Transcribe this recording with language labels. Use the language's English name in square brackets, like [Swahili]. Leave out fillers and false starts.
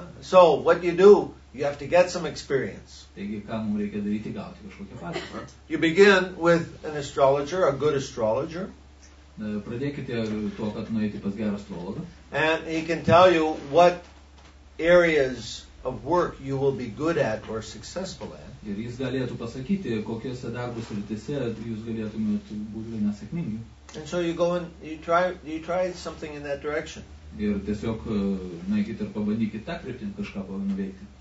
[English] So what you do, you have to get some experience. [Lithuanian] Taigi, ką mums reikia daryti, gauti kažkokią patirtį. [English] You begin with an astrologer, a good astrologer. [Lithuanian] Pradėkite tuo, kad nueiti pas gerą astrologą. [English] And he can tell you what areas of work you will be good at or successful at. [Lithuanian] Ir jis galėtų pasakyti, kokiose darbo srityse jūs galėtumėte būti nesėkmingi. [English] And so you go and you try something in that direction. [Lithuanian] Ir tiesiog nueikite ir pabandykite tą kryptimį kažką nuveikti.